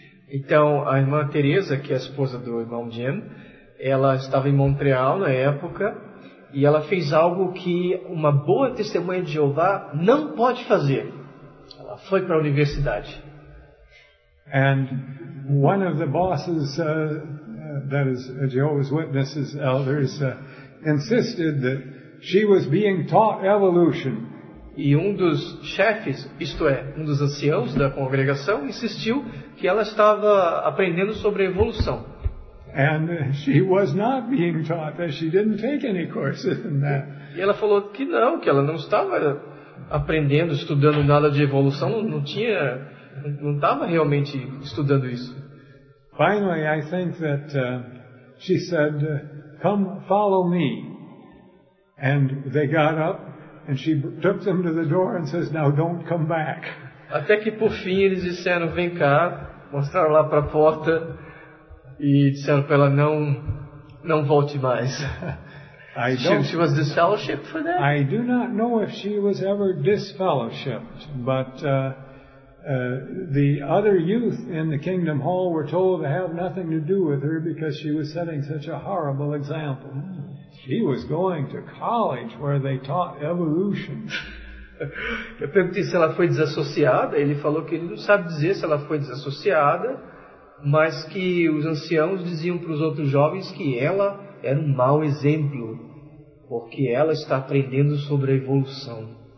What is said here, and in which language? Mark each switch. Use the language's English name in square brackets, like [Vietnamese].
[Portuguese] Então, a irmã Teresa, que é a esposa do irmão Jim, ela estava em Montreal na época, e ela fez algo que uma boa testemunha de Jeová não pode fazer. Ela foi para a universidade. [English] And one of the bosses that is a Jehovah's Witnesses elders insisted that she was being taught evolution. [Portuguese] E um dos chefes, isto é, um dos anciãos da congregação, insistiu que ela estava aprendendo sobre a evolução. [English] And she was not being taught that she didn't take any courses in that. [Portuguese] E ela falou que não, que ela não estava aprendendo, estudando nada de evolução, não estava realmente estudando isso. [English] Finally, I think that she said, come follow me. And they got up and she took them to the door and says, now don't come back. [Portuguese] Até que por fim eles disseram, vem cá, mostraram lá para a porta e disseram para ela, não volte mais. [English] She was disfellowshipped for that? I do not know if she was ever disfellowshipped, but the other youth in the Kingdom Hall were told to have nothing to do with her because she was setting such a horrible example. She was going to college where they taught evolution. [Portuguese] Eu perguntei se ela foi desassociada. Ele falou que ele não sabe dizer se ela foi desassociada, mas que os anciãos diziam para os outros jovens que ela era um mau exemplo, porque ela está aprendendo sobre a evolução.